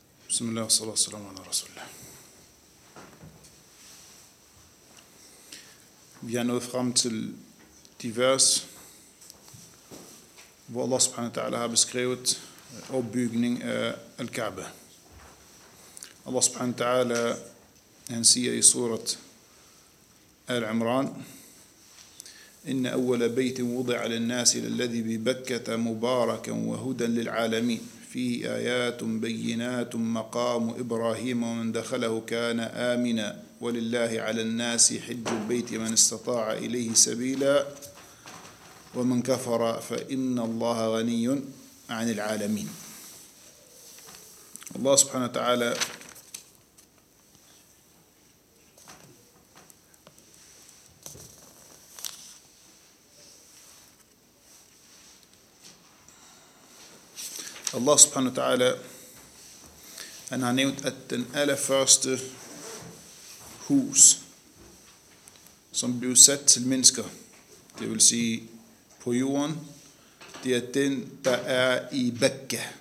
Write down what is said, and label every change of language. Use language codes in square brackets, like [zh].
[ar] بسم الله والصلاة والسلام على رسول الله. [da] Vi er nået frem til de vers, hvor [ar] Allah subhanahu wa ta'ala [da] har beskrevet opbygning af Al-Kaaba. [ar] Allah subhanahu wa ta'ala, [da] han siger i surat Al-Imran, [ar] Inna awwala baytin wudi'a 'alan nasi alladhi bi Bakkata mubarakan wa hudan lil 'alamin. فيه آيات بينات مقام إبراهيم ومن دخله كان آمنا ولله على الناس حج البيت من استطاع إليه سبيلا ومن كفر فإن الله غني عن العالمين. الله سبحانه وتعالى Allah subhanahu wa ta'ala, [da] han har nævnt, at den allerførste hus, som blev sat til mennesker, det vil sige på jorden, det er den, der er i Bakka.